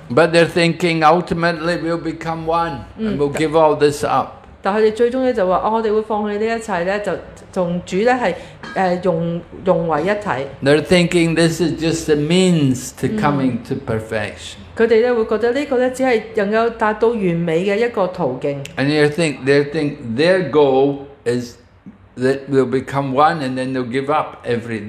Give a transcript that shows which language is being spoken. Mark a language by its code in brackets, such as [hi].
[en] But they're thinking ultimately we'll become one and we'll give all this up. [zh] 但他們最終就說,我們會放棄這一切,跟主融為一體。 [en] They're thinking this is just a means to coming to perfection. [zh] 他們會覺得這只是能夠達到完美的一個途徑。 [en] And you think, they think their goal is that they'll become one and then they'll give up everything.